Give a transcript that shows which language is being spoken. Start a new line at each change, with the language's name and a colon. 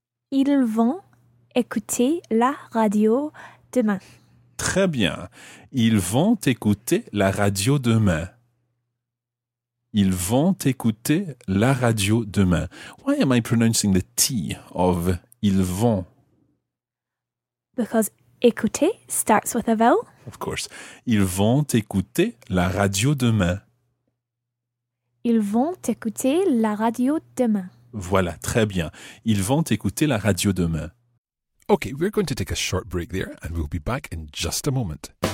French: Ils vont écouter la radio demain. Très bien. Ils vont écouter la radio demain. Ils vont écouter la radio demain.
English: Why am I pronouncing the T of
French: ils vont?
English: Because écouter starts with a vowel. Of course.
French: Ils vont écouter la radio demain. Ils vont écouter la radio demain. Voilà, très bien. Ils vont écouter la radio demain.
English: Okay, we're going to take a short break there and we'll be back in just a moment.